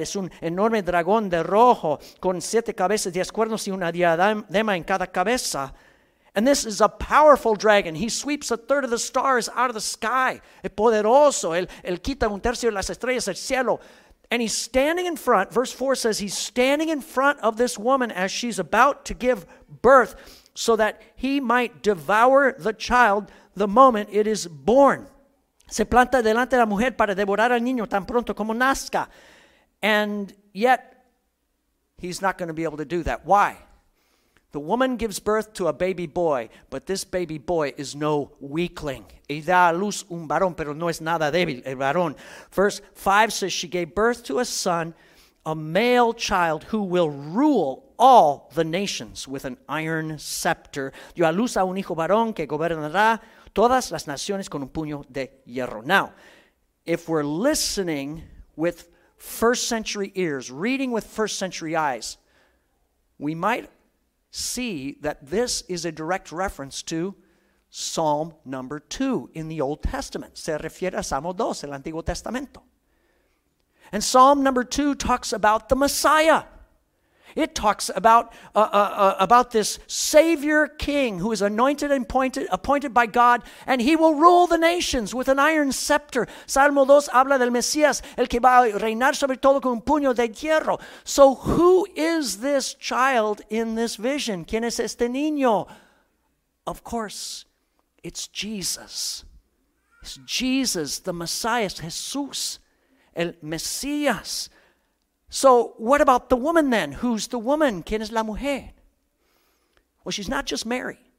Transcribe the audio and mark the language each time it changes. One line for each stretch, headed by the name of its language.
Spanish: Es un enorme dragón de rojo con 7 cabezas, 10 cuernos y una diadema en cada cabeza.
English: And this is a powerful dragon. He sweeps a third of the stars out of the sky.
Spanish: El poderoso. Él quita un tercio de las estrellas del cielo.
English: And he's standing in front. Verse 4 says he's standing in front of this woman as she's about to give birth so that he might devour the child the moment it is born.
Spanish: Se planta delante de la mujer para devorar al niño tan pronto como nazca.
English: And yet, he's not going to be able to do that. Why? The woman gives birth to a baby boy, but this baby boy is no weakling.
Spanish: Y da a luz un varón, pero no es nada débil, el varón.
English: Verse 5 says she gave birth to a son, a male child who will rule all the nations with an iron scepter.
Spanish: Dio a luz a un hijo varón que gobernará todas las naciones con un puño de hierro.
English: Now, if we're listening with first century ears, reading with first century eyes, we might see that this is a direct reference to Psalm number 2 in the Old Testament.
Spanish: Se refiere a Salmo 2, el Antiguo Testamento.
English: And Psalm number 2 talks about the Messiah. It talks about this Savior King who is anointed and appointed by God, and he will rule the nations with an iron scepter.
Spanish: Salmo 2 habla del Mesías, el que va a reinar sobre todo con un puño de hierro.
English: So who is this child in this vision?
Spanish: ¿Quién es este niño?
English: Of course, it's Jesus. It's Jesus, the Messiah, Jesús, el Mesías. So what about the woman then? Who's the woman?
Spanish: ¿Quién es la mujer?
English: Well, she's not just Mary.